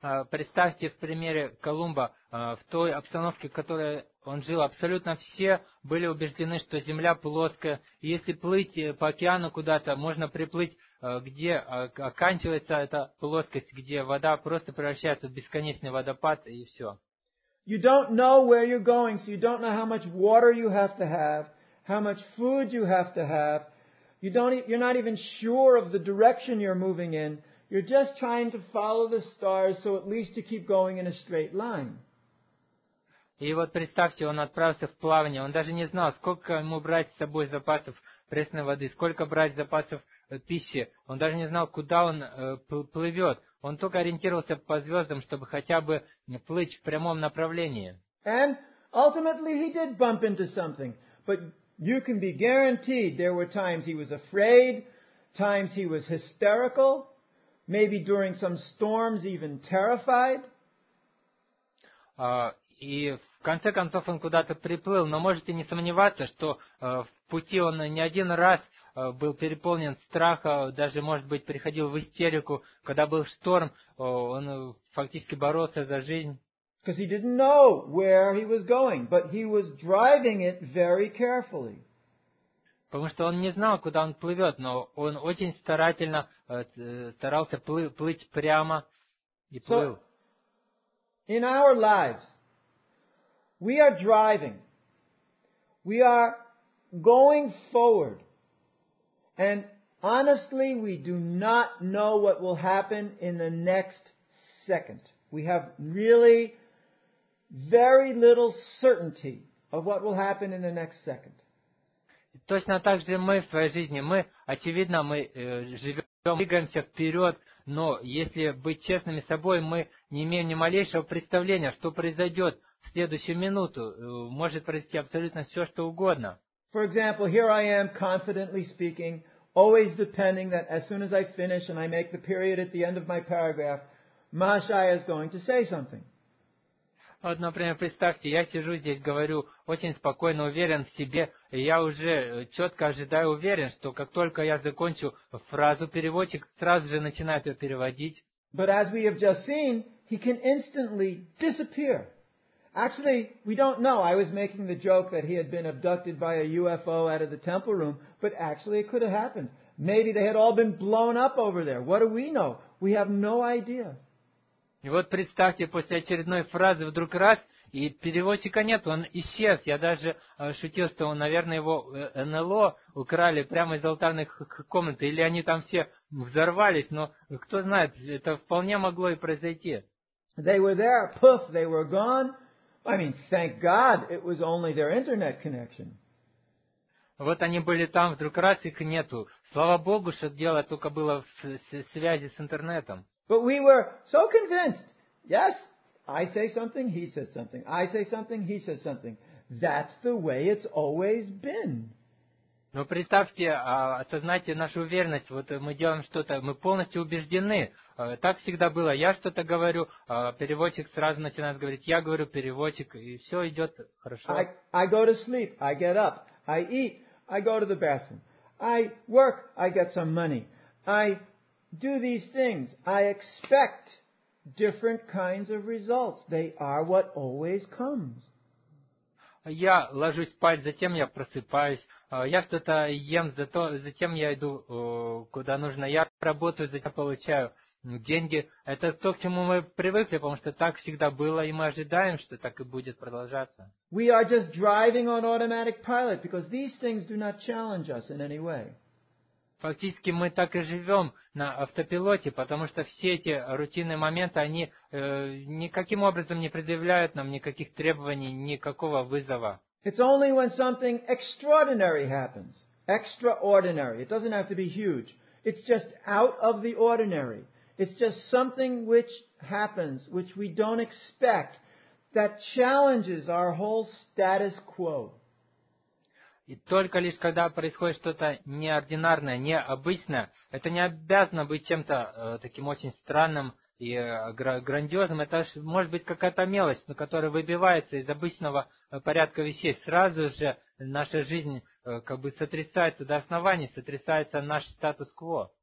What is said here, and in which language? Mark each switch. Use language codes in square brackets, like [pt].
[ru] Представьте в примере Колумба, в той обстановке, в которой он жил, абсолютно все были убеждены, что земля плоская. Если плыть по океану куда-то, можно приплыть, где оканчивается эта плоскость, где вода просто превращается в бесконечный водопад, и все. [en] You don't know where you're going, so you don't know how much water you have to have, how much food you have to have. You're not even sure of the direction you're moving in. You're just trying to follow the stars, so at least you keep going in a straight line. [ru] И вот представьте, он отправился в плавание, он даже не знал, сколько ему брать с собой запасов пресной воды, сколько брать запасов пищи, он даже не знал, куда он плывет. Он только ориентировался по звездам, чтобы хотя бы плыть в прямом направлении. [en] And ultimately he did bump into something, but you can be guaranteed there were times he was afraid, times he was hysterical, maybe during some storms even terrified. [ru] И в конце концов он куда-то приплыл, но можете не сомневаться, что в пути он не один раз был переполнен страха, даже, может быть, приходил в истерику, когда был шторм, он фактически боролся за жизнь. [en] Because he didn't know where he was going, but he was driving it very carefully. [ru] Потому что он не знал, куда он плывет, но он очень старательно старался плыть прямо и плыл. [en] In our lives, we are driving. We are going forward. And honestly, we do not know what will happen in the next second. We have really very little certainty of what will happen in the next second. [ru] Точно так же мы в своей жизни. Мы, очевидно, мы живем, двигаемся вперед, но если быть честными с собой, мы не имеем ни малейшего представления, что произойдет в следующую минуту. Может произойти абсолютно все, что угодно. [en] For example, here I am confidently speaking, always depending that as soon as I finish and I make the period at the end of my paragraph, Mahashaya is going to say something. [ru] Вот, например, представьте, я сижу здесь, говорю, очень спокойно, уверен в себе, и я уже четко ожидаю, уверен, что как только я закончу фразу, переводчик сразу же начинает ее переводить. [en] But as we have just seen, he can instantly disappear. Actually, we don't know. I was making the joke that he had been abducted by a UFO out of the temple room, but actually it could have happened. Maybe they had all been blown up over there. What do we know? We have no idea. [ru] И вот представьте, после очередной фразы вдруг раз, и переводчика нет, он исчез. Я даже шутил, что, наверное, его НЛО украли прямо из алтарных комнат, или они там все взорвались, но кто знает, это вполне могло и произойти. [en] They were there, poof, they were gone. I mean, thank God, it was only their internet connection. [ru] Вот они были там, вдруг раз, их нету. Слава Богу, что дело только было в связи с интернетом. [en] But we were so convinced. Yes, I say something, he says something. I say something, he says something. That's the way it's always been. [ru] Но представьте, осознайте нашу уверенность. Вот мы делаем что-то, мы полностью убеждены. Так всегда было. Я что-то говорю, переводчик сразу начинает говорить. Я говорю, переводчик, и все идет хорошо. [en] I go to sleep, I get up, I eat, I go to the bathroom. I work, I get some money. I do these things. I expect different kinds of results. They are what always comes. [ru] Я ложусь спать, затем я просыпаюсь. Я что-то ем, затем я иду куда нужно. Я работаю, затем получаю деньги. Это то, к чему мы привыкли, потому что так всегда было, и мы ожидаем, что так и будет продолжаться. [en] We are just driving on automatic pilot because these things do not challenge us in any way. [ru] Фактически мы так и живем на автопилоте, потому что все эти рутинные моменты, они никаким образом не предъявляют нам никаких требований, никакого вызова. [en] It's only when something extraordinary happens. Extraordinary. It doesn't have to be huge. It's just out of the ordinary. It's just something which happens, which we don't expect, that challenges our whole status quo. [ru] И только лишь когда происходит что-то неординарное, необычное, это не обязано быть чем-то таким очень странным и грандиозным. Это может быть какая-то мелочь, но которая выбивается из обычного порядка вещей. Сразу же наша жизнь как бы сотрясается до основания, сотрясается наш статус-кво.